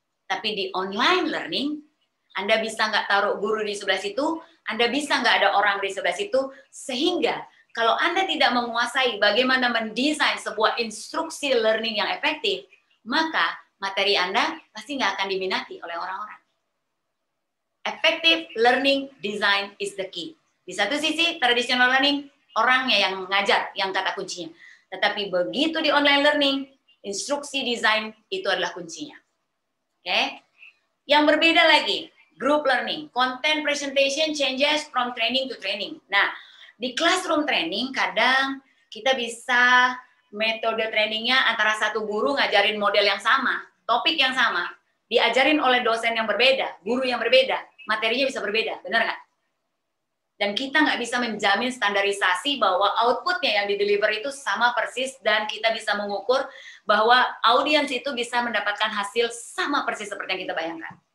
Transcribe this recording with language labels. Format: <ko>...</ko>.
<id>Tapi di online learning, Anda bisa nggak taruh guru di sebelah situ, Anda bisa nggak ada orang di sebelah situ, sehingga kalau Anda tidak menguasai bagaimana mendesain sebuah instruksi learning yang efektif, maka materi Anda pasti nggak akan diminati oleh orang-orang.</id> <en>Effective learning design is the key.</en> <id>Di satu sisi, traditional learning, orangnya yang ngajar, yang kata kuncinya. Tetapi begitu di online learning, instruksi desain itu adalah kuncinya. Oke? Okay? Yang berbeda lagi,</id> <en>group learning. Content presentation changes from training to training.</en> <id>Nah, di classroom training kadang kita bisa metode trainingnya antara satu guru ngajarin model yang sama, topik yang sama, diajarin oleh dosen yang berbeda, guru yang berbeda, materinya bisa berbeda, benar nggak? Dan kita nggak bisa menjamin standarisasi bahwa outputnya yang di-deliver itu sama persis dan kita bisa mengukur bahwa audiens itu bisa mendapatkan hasil sama persis seperti yang kita bayangkan.</id>